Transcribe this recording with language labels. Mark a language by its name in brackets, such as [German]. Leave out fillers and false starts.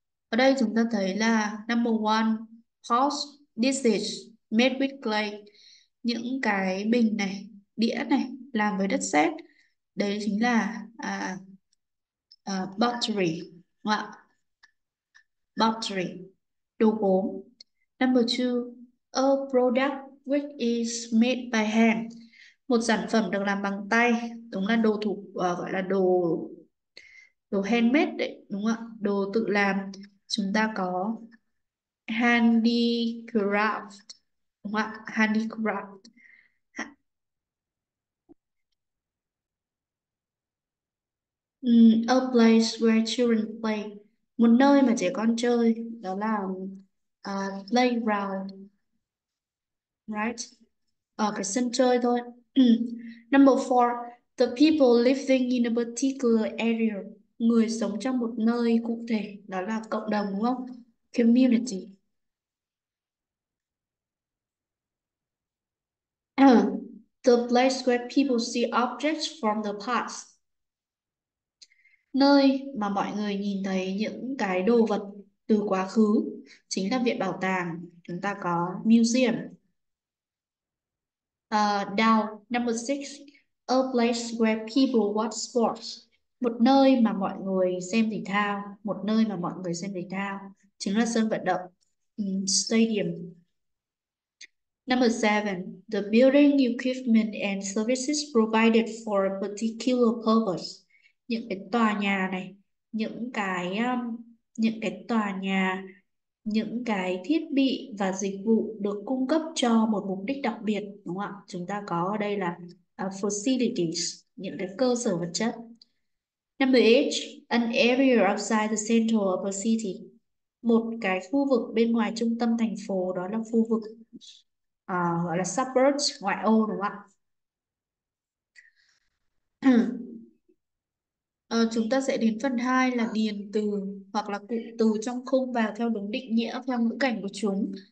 [Vietnamese] Ở đây chúng ta thấy là [English] number one, pot, dishes, made with clay. [Vietnamese] Những cái bình này, đĩa này, làm với đất sét. Đấy chính là pottery, đúng không ạ? Pottery, đồ gốm. [English] Number two, a product which is made by hand. [Vietnamese] Một sản phẩm được làm bằng tay, đúng là đồ thủ, gọi là đồ đồ handmade đấy, đúng không ạ? Đồ tự làm. Chúng ta có handicraft, đúng không ạ? Handicraft. [English] A place where children play. [Vietnamese] Một nơi mà trẻ con chơi, đó là playground. [English] Right? [Vietnamese] Ở cái sân chơi thôi. [English] Number four, the people living in a particular area. [Vietnamese] Người sống trong một nơi cụ thể, đó là cộng đồng đúng không? [English] Community. The place where people see objects from the past. [Vietnamese] Nơi mà mọi người nhìn thấy những cái đồ vật từ quá khứ chính là viện bảo tàng. Chúng ta có museum. [English] Down, number 6, a place where people watch sports. [Vietnamese] Một nơi mà mọi người xem thể thao, một nơi mà mọi người xem thể thao chính là sân vận động, stadium. [English] Number 7, the building equipment and services provided for a particular purpose. [Vietnamese] Những cái tòa nhà này, những cái tòa nhà, những cái thiết bị và dịch vụ được cung cấp cho một mục đích đặc biệt đúng không ạ? Chúng ta có ở đây là facilities, những cái cơ sở vật chất. [English] Number H, an area outside the center of a city. [Vietnamese] Một cái khu vực bên ngoài trung tâm thành phố, đó là khu vực gọi là suburbs, ngoại ô đúng không ạ? Chúng ta sẽ đến phần 2 là điền từ hoặc là cụm từ trong khung vào theo đúng định nghĩa theo ngữ cảnh của chúng.